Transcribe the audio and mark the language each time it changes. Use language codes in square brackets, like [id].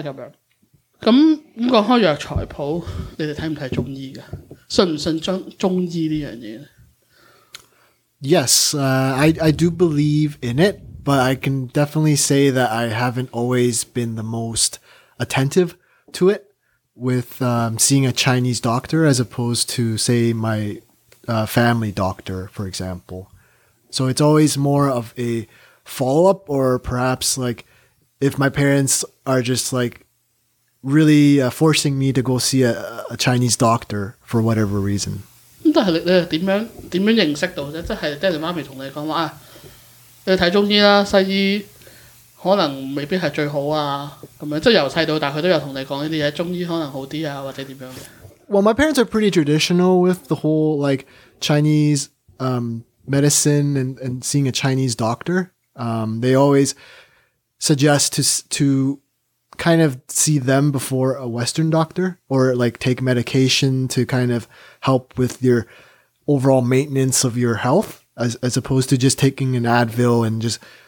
[yue] 咁样咁讲开药材铺，你哋睇唔睇中医噶？信唔信中医呢样嘢 [en] ？Yes, I do believe in it, but I can definitely say that I haven't always been the most attentive. To it with seeing a Chinese doctor as opposed to, say, my family doctor, for example. So it's always more of a follow up, or perhaps like if my parents are just like really forcing me to go see a Chinese doctor for whatever reason. But how did you get to know it? Is it your mom told you, you're going to see Chinese doctor? [yue] 可能未必是最好啊，咁样即系由细到大，佢都有同你讲呢啲嘢，中医可能好啲啊，或者点样嘅。 [en] Well, my parents are pretty traditional with the whole like Chinese medicine and seeing a Chinese doctor. They always suggest to kind of see them before a Western doctor, or like take medication to kind of help with your overall maintenance of your health, as opposed to just taking an Advil and just.